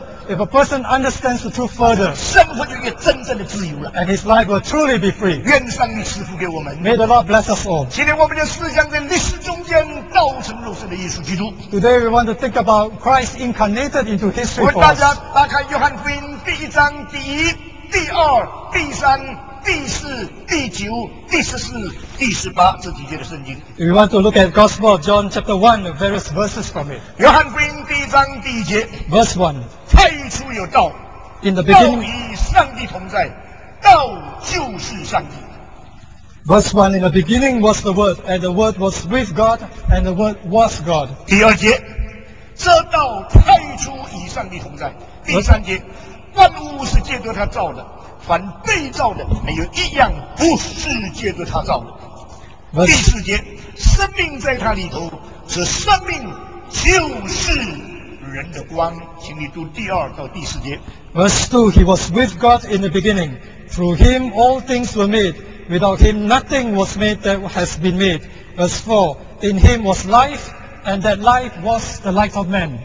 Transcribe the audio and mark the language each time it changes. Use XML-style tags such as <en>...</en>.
<en>If a person understands the truth further, and his life will truly be free. May the Lord bless us all. Today we want to think about Christ incarnated into history for us.</en> <zh>大家打开约翰福音第一章第一、第二、第三。第四、第九、第十四、第十八这几节的圣经。</zh> <en>We want to look at Gospel of John chapter 1, the various verses from it.</en> <zh>约翰福音第一章第一节。</zh> <en>Verse 1.</en> <zh>太初有道。</zh> <en>In the beginning.</en> <zh>道与上帝同在。道就是上帝。</zh> <en>Verse 1. In the beginning was the Word, and the Word was with God, and the Word was God.</en> <zh>第二节。这道太初与上帝同在。第三节。万物是借着他造的。凡被造的没有一样不是借着他造的。第四节，生命在他里头，这生命就是人的光。请你读第二到第四节。</zh> <en>Verse 2, he was with God in the beginning. Through him all things were made. Without him nothing was made that has been made. Verse 4, in him was life, and that life was the light of man.</en>